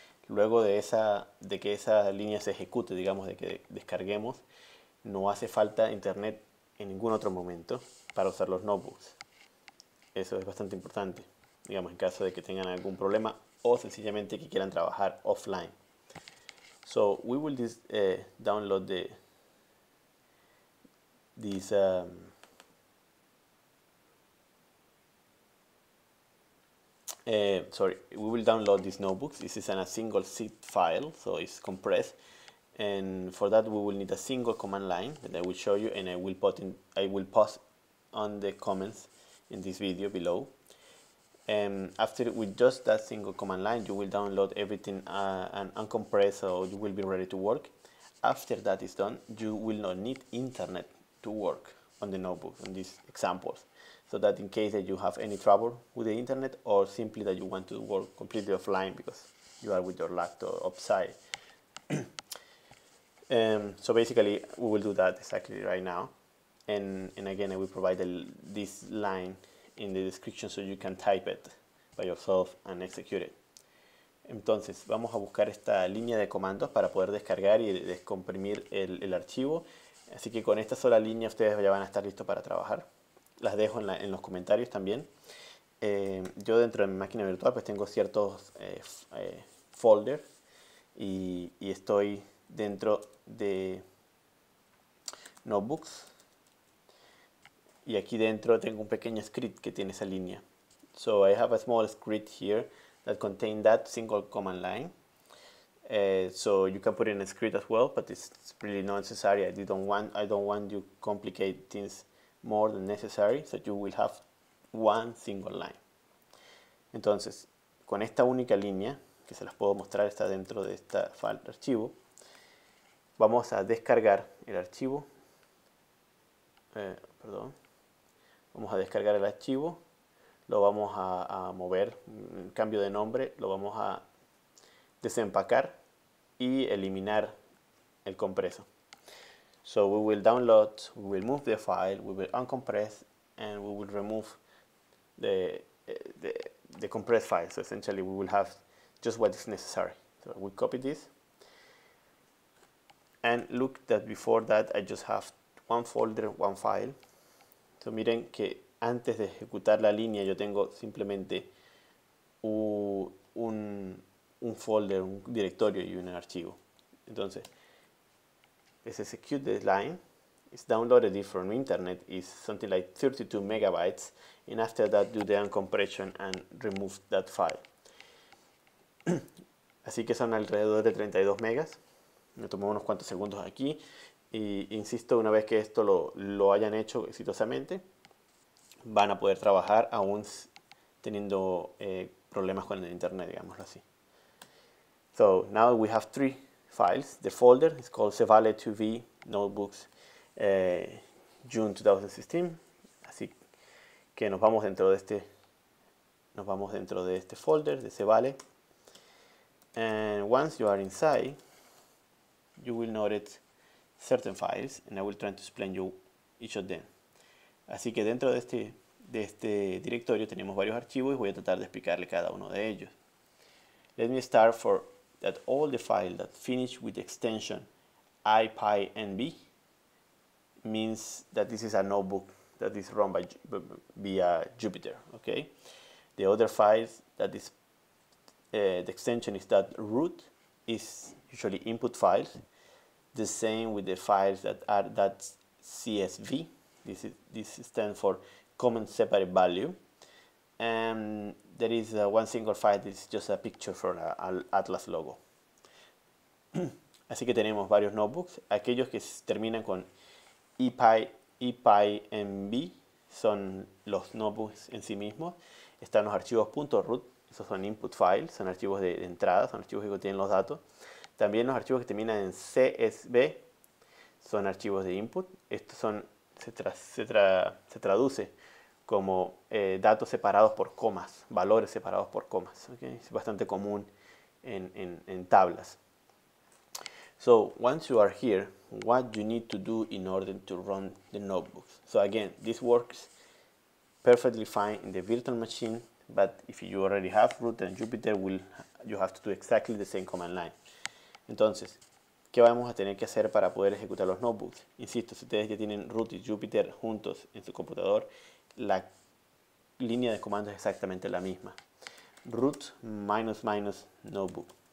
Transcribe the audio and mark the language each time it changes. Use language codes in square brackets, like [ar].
[es] Luego de que esa línea se ejecute, digamos, de que descarguemos, no hace falta internet en ningún otro momento para usar los notebooks. Eso es bastante importante, digamos, en caso de que tengan algún problema o sencillamente que quieran trabajar offline. [en] So, we will download we will download these notebooks. This is in a single zip file, so it's compressed. And for that, we will need a single command line that I will show you, and I will post on the comments in this video below. After with just that single command line, you will download everything and uncompress, so you will be ready to work. After that is done, you will not need internet to work on the notebook in these examples. So that in case that you have any trouble with the internet or simply that you want to work completely offline because you are with your laptop upside. So basically we will do that exactly right now. And again, I will provide this line in the description so you can type it by yourself and execute it. [es] Entonces, vamos a buscar esta línea de comandos para poder descargar y descomprimir el archivo. Así que con esta sola línea ustedes ya van a estar listos para trabajar. Las dejo en los comentarios también. Yo dentro de mi máquina virtual pues tengo ciertos folders y estoy dentro de notebooks. Y aquí dentro tengo un pequeño script que tiene esa línea. [en] So I have a small script here that contains that single command line. So you can put in a script as well, but it's really not necessary. I don't want you complicate things more than necessary, so you will have one single line. [es] Entonces, con esta única línea, que se las puedo mostrar, está dentro de este file archivo, vamos a descargar el archivo. Vamos a descargar el archivo, lo vamos a mover, cambio de nombre, lo vamos a desempacar y eliminar el compreso. [en] So we will download, we will move the file, we will uncompress, and we will remove the compressed file. So essentially we will have just what is necessary. So we copy this. And look that before that I just have one folder, one file. [es] So miren que antes de ejecutar la línea yo tengo simplemente un folder, un directorio y un archivo. [en] Entonces, let's execute this line. It's downloaded it from internet. It's something like 32 megabytes. And after that, do the uncompression and remove that file. Así que son alrededor de 32 megas. [es] Me tomó unos cuantos segundos aquí. Y insisto, una vez que esto lo hayan hecho exitosamente, van a poder trabajar aún teniendo problemas con el internet, digámoslo así. [en] So, now we have three files. The folder is called Cevale 2V Notebooks June 2016. [es] Así que nos vamos dentro de este folder de Cevale. [en] And once you are inside, you will notice certain files, and I will try to explain you each of them. [es] Así que dentro de este directorio tenemos varios archivos y voy a tratar de explicarle cada uno de ellos. [en] Let me start for that all the files that finish with the extension IPyNB means that this is a notebook that is run by via Jupyter. Okay, the other files that is the extension is that root is usually input files. The same with the files that are that CSV. This stands for common separate value. And there is one single file that is just a picture for an Atlas logo. [es] Así que tenemos varios notebooks. Aquellos que terminan con epyenv son los notebooks en sí mismos. Están los archivos .root. Esos son input files, son archivos de entrada, son archivos que contienen los datos. También los archivos que terminan en CSV son archivos de input. Estos son, se traduce como datos separados por comas, valores separados por comas. Okay? Es bastante común en tablas. [en] So, once you are here, what you need to do in order to run the notebooks. So again, this works perfectly fine in the virtual machine, but if you already have root and Jupyter, you have to do exactly the same command line. [es] Entonces, ¿qué vamos a tener que hacer para poder ejecutar los notebooks? Insisto, si ustedes ya tienen root y Jupyter juntos en su computador, la línea de comando es exactamente la misma. [en] Root minus minus notebook.